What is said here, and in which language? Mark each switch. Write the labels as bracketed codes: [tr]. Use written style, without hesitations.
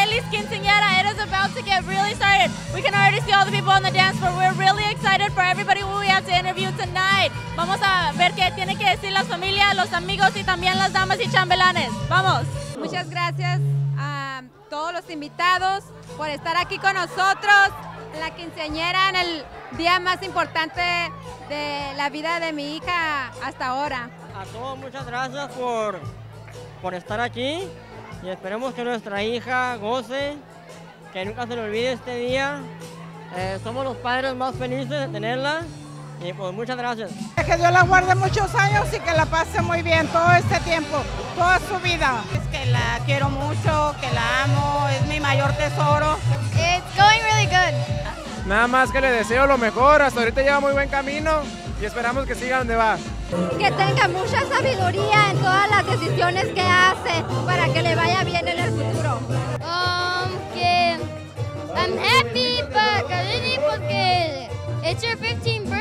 [en] quinceañera, it is about to get really started. We can already see all the people on the dance floor. We're really excited for everybody who we have to interview tonight. [es] Vamos a ver qué tiene que decir la familia, los amigos y también las damas y chambelanes. Vamos. Muchas gracias a todos los invitados por estar aquí con nosotros. La quinceañera en el día más importante de la vida de mi hija hasta ahora. A todos muchas gracias por estar aquí. Y esperemos que nuestra hija goce, que nunca se le olvide este día. Somos los padres más felices de tenerla. Y pues muchas gracias. Que Dios la guarde muchos años y que la pase muy bien todo este tiempo, toda su vida. Es que la quiero mucho, que la amo, es mi mayor tesoro. [en] It's going really good. [es] Nada más que le deseo lo mejor, hasta ahorita lleva muy buen camino y esperamos que siga donde va. Que tenga mucha sabiduría en todas las decisiones que hace para que le vaya bien en el futuro. Que [en] I'm happy [es] para [en] Karely [es] porque [en] it's her 15th